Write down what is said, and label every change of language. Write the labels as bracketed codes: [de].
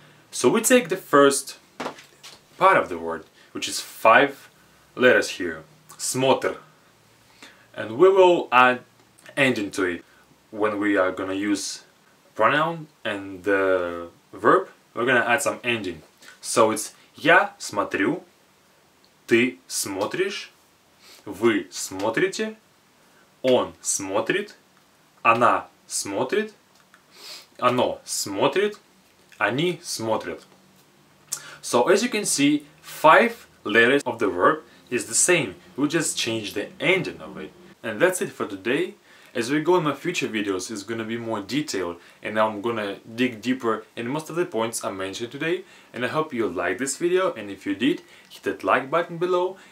[en] So we take the first part of the word, which is 5 letters here, смотр, and we will add ending to it when we are gonna use pronoun and the verb. We're gonna add some ending. So it's [ru] я смотрю, ты смотришь, вы смотрите, он смотрит, она смотрит, оно смотрит, они смотрят. [en] So as you can see, 5 letters of the verb is the same. We just change the ending of it. And that's it for today. As we go in my future videos, it's gonna be more detailed and I'm gonna dig deeper in most of the points I mentioned today. And I hope you liked this video, and if you did, hit that like button below.